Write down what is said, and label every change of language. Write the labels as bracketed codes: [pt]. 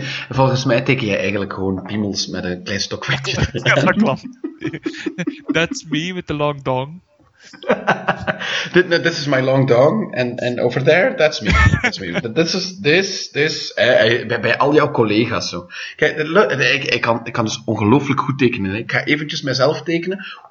[nl] Volgens mij teken jij eigenlijk gewoon piemels met een klein stokvandje. Ja, dat klopt. [en] That's me with the long dong. This is my long dong, and over there, that's me. That's me. [nl] This is bij al jouw collega's zo. Kijk, ik kan dus ongelooflijk goed tekenen. Ik ga eventjes mezelf tekenen.